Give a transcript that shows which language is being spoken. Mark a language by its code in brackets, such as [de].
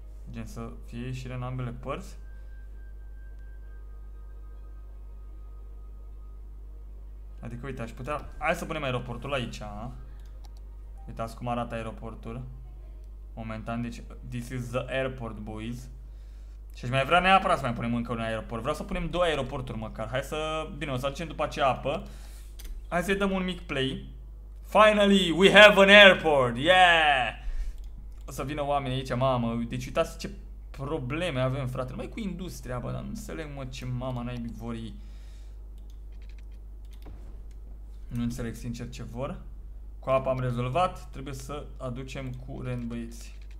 [ro] gen să fie ieșire în ambele părți. Adică, uite, aș putea... Hai să punem aeroportul aici, a? Uitați cum arată aeroportul. Momentan, deci... [en] This is the airport, boys. [ro] Și aș mai vrea neapărat să mai punem încă un aeroport. Vreau să punem două aeroporturi, măcar. Hai să... Bine, o să aducem după aceea apă. Hai să-i dăm un mic play. [en] Finally, we have an airport! Yeah! [ro] O să vină oameni aici, mamă. Deci, uitați ce probleme avem, frate. Numai cu industria, bă, dar nu înțeleg, mă, ce mama naibii vor. Nu înțeleg sincer ce vor. Cu apa am rezolvat, trebuie să aducem curent, băieți.